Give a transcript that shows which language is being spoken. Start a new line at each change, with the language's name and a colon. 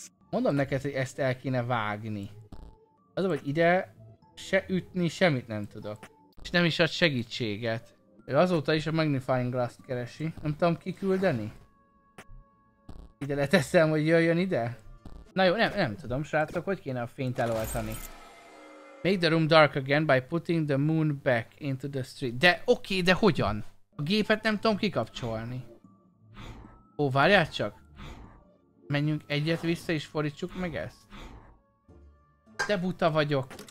Hungarian: Mondom neked, hogy ezt el kéne vágni. Az, hogy ide se ütni, semmit nem tudok. És nem is ad segítséget. Ő azóta is a
English: magnifying glass-
Hungarian: t keresi. Nem tudom kiküldeni. Ide leteszem, hogy jöjjön ide? Na jó, nem tudom, srácok, hogy kéne a fényt eloltani.
English: Make the room dark again by putting the moon back into the street.
Hungarian: De oké, de hogyan? A gépet nem tudom kikapcsolni. Ó, várjál csak. Menjünk egyet vissza és fordítsuk meg ezt. De buta vagyok.